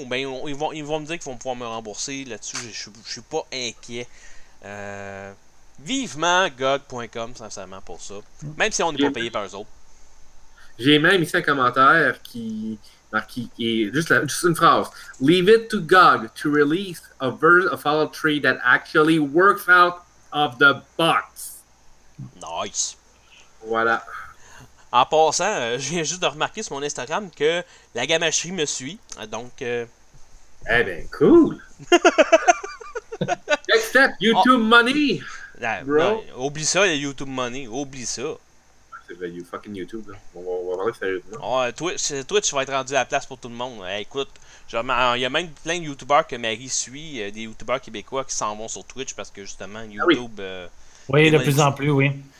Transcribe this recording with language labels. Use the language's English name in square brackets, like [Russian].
[French] Ou bien, ils vont me dire qu'ils vont pouvoir me rembourser là-dessus. Je suis pas inquiet. Vivement GOG.com, sincèrement, pour ça. Même si on n'est pas payé par eux autres. J'ai même ici un commentaire qui est juste une phrase. [English] Leave it to GOG to release a version of Fallout 3 that actually works out of the box. Nice. [French] Voilà. En passant, je viens juste de remarquer sur mon Instagram que la gamacherie me suit. Donc. Eh ben, cool. [English] Next step, YouTube money. [French] Non, oublie ça, les YouTube money. Oublie ça. C'est [English] you fucking [French] YouTube, là. On va parler sérieusement. Oh, Twitch va être rendu à la place pour tout le monde. Hey, écoute, il y a même plein de YouTubeurs que Marie suit, des YouTubeurs québécois qui s'en vont sur Twitch parce que justement, YouTube. Ah oui, de plus en plus, oui.